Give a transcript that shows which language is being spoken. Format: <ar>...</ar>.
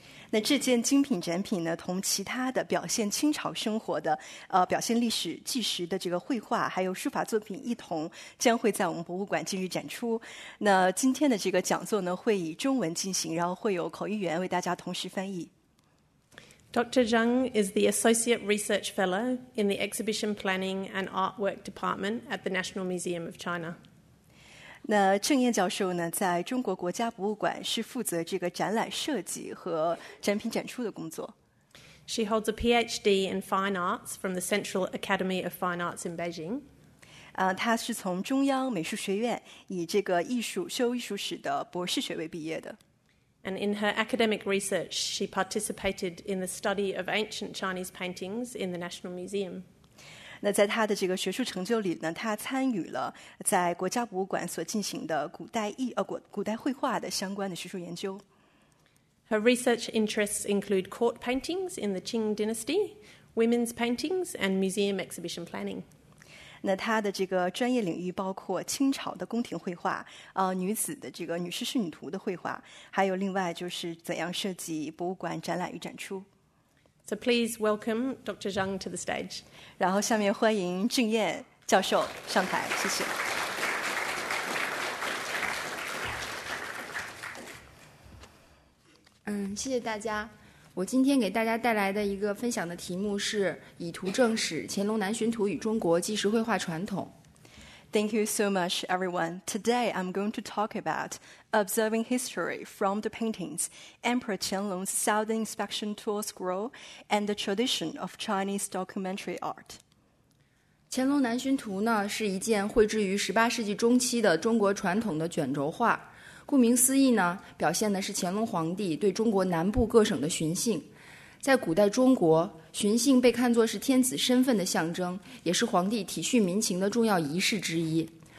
<zh>那这件精品展品呢，同其他的表现清朝生活的、表现历史纪实的这个绘画还有书法作品一同，将会在我们博物馆今日展出。那今天的这个讲座呢，会以中文进行，然后会有口译员为大家同时翻译。</zh> <en>Dr. Zheng is the Associate Research Fellow in the Exhibition Planning and Artwork Department at the National Museum of China.</en> <zh>那郑燕教授呢，在中国国家博物馆是负责这个展览设计和展品展出的工作。</zh> <en>She holds a PhD in Fine Arts from the Central Academy of Fine Arts in Beijing.</en> <zh>她是从中央美术学院以这个修艺术史的博士学位毕业的。</zh> <en>And in her academic research, she participated in the study of ancient Chinese paintings in the National Museum.</en> <zh>那在他的这个学术成就里呢，他参与了在国家博物馆所进行的古代绘画的相关的学术研究。</zh> <en>Her research interests include court paintings in the Qing Dynasty, women's paintings, and museum exhibition planning.</en> <zh>那他的这个专业领域包括清朝的宫廷绘画，女子的这个女士仕女图的绘画，还有另外就是怎样设计博物馆展览与展出。</zh> <en>So please welcome Dr. Zheng to the stage.</en> <zh>然后下面欢迎郑燕教授上台，谢谢。谢谢大家。我今天给大家带来的一个分享的题目是以图正史，乾隆南巡图与中国纪实绘画传统。</zh> <en>Thank you so much, everyone. Today, I'm going to talk about Observing History from the Paintings, Emperor Qianlong's Southern Inspection Tour Scroll, and the Tradition of Chinese Documentary Art.</en> <zh>乾隆南巡图呢，是一件绘制于18世纪中期的中国传统的卷轴画。顾名思义呢，表现的是乾隆皇帝对中国南部各省的巡幸。在古代中国，巡幸被看作是天子身份的象征，也是皇帝体恤民情的重要仪式之一。</zh>